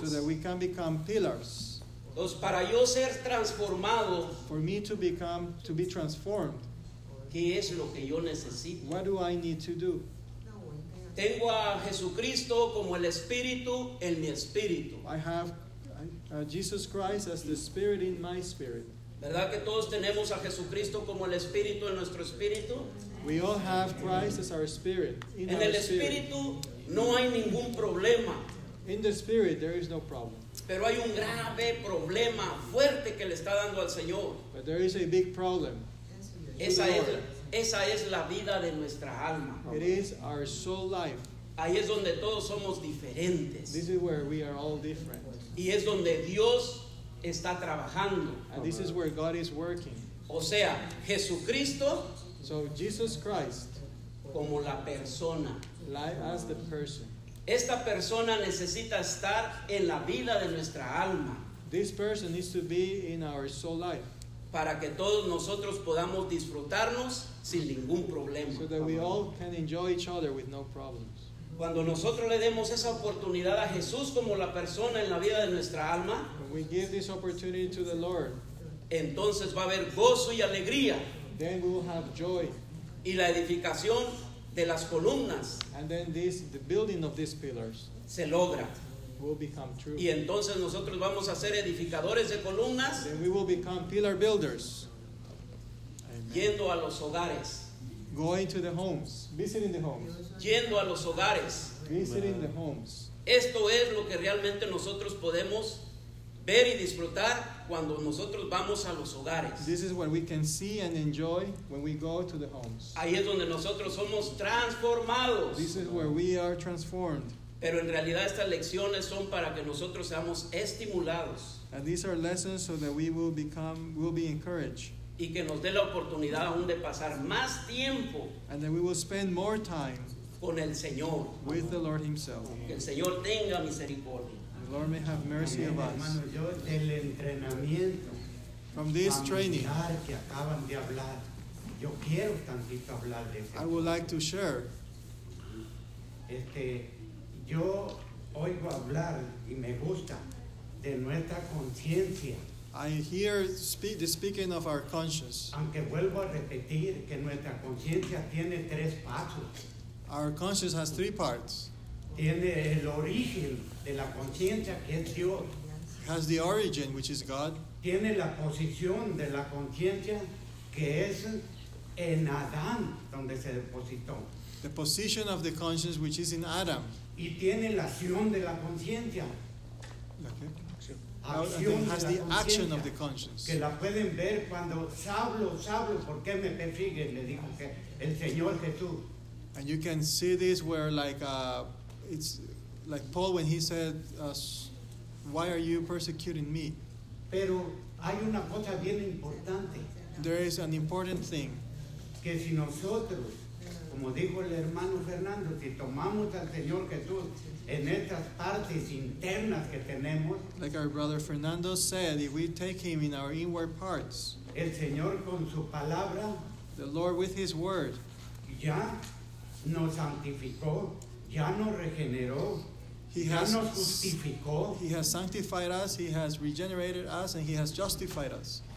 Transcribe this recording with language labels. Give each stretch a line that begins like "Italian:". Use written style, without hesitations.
English: So that we can become pillars.
Spanish: Entonces, para yo ser transformado,
English: for me to become, to be transformed,
Spanish: ¿qué es lo que yo necesito?
English: What do I need to do?
Spanish: Tengo a Jesucristo como el Espíritu en mi espíritu.
English: I have Jesus Christ as the Spirit in my spirit.
Spanish: ¿Verdad que todos tenemos a Jesucristo como el Espíritu en nuestro espíritu?
English: We all have Christ as our Spirit.
Spanish: En el Espíritu no hay ningún problema.
English: In the Spirit there is no problem.
Spanish: Pero hay un grave problema fuerte que le está dando al Señor.
English: But there is a big problem.
Spanish: Esa es la vida de nuestra alma.
English: It is our soul life.
Spanish: Ahí es donde todos somos diferentes.
English: This is where we are all different.
Spanish: Y es donde Dios está trabajando.
English: And this is where God is working.
Spanish: O sea, Jesucristo.
English: So Jesus Christ.
Spanish: Como la persona.
English: Life as the person.
Spanish: Esta persona necesita estar en la vida de nuestra alma.
English: This person needs to be in our soul life.
Spanish: Para que todos nosotros podamos disfrutarnos sin ningún problema.
English: So that we all can enjoy each other with no problems.
Spanish: Cuando nosotros le demos esa oportunidad a Jesús como la persona en la vida de nuestra alma,
English: when we give this opportunity to the Lord,
Spanish: entonces va a haber gozo y alegría.
English: Then we will have joy.
Spanish: Y la edificación de las columnas.
English: And then this, the building of these pillars,
Spanish: se logra.
English: Will become true.
Spanish: Y entonces nosotros vamos a ser edificadores de columnas.
English: Then we will become pillar builders.
Spanish: Amen. Yendo a los hogares.
English: Going to the homes. Visiting the homes.
Spanish: Yendo a los hogares.
English: Visiting the homes.
Spanish: Esto es lo que realmente nosotros podemos ver y disfrutar cuando nosotros vamos a los hogares.
English: This is what we can see and enjoy when we go to the homes.
Spanish: Ahí es donde nosotros somos transformados.
English: This is where we are transformed.
Spanish: Pero en realidad estas lecciones son para que nosotros seamos estimulados.
English: And these are lessons so that we will become, will be encouraged.
Spanish: Y que nos dé la oportunidad aún de pasar más tiempo.
English: And that we will spend more time
Spanish: con el Señor.
English: With the Lord himself.
Spanish: Que el Señor tenga misericordia.
English: Lord may have mercy of us.
Spanish: Yo, del entrenamiento,
English: from this training
Spanish: que acaban de hablar, yo quiero tantito hablar de
English: I would like to share.
Spanish: Este, yo oigo hablar y me gusta de nuestra conciencia.
English: I hear the speaking of our conscience.
Spanish: Aunque vuelvo a repetir que nuestra conciencia tiene tres pasos.
English: Our conscience has three parts.
Spanish: Tiene el origen de la conciencia que es Dios.
English: has the origin, which is God.
Spanish: Tiene la posición de la conciencia que es en Adán donde se depositó.
English: The position of the conscience, which is in Adam.
Spanish: Y tiene la acción de la conciencia.
English: Okay. Acción has the action of the conscience.
Spanish: Que la pueden ver cuando Saulo, Saulo, ¿por qué me persigue? Le dijo que el Señor Jesús.
English: And you can see this where, like, it's like Paul when he said, "Why are you persecuting me?"
Spanish: Pero hay una cosa bien importante.
English: There is an important thing.
Spanish: Que si nosotros, como dijo el hermano Fernando, si tomamos al Señor Jesús en estas partes internas que tenemos,
English: like our brother Fernando said, if we take him in our inward parts,
Spanish: el Señor con su palabra,
English: the Lord with his word,
Spanish: ya nos santificó, ya nos regeneró, nos justificó.
English: He has sanctified us, he has regenerated us, and he has justified us.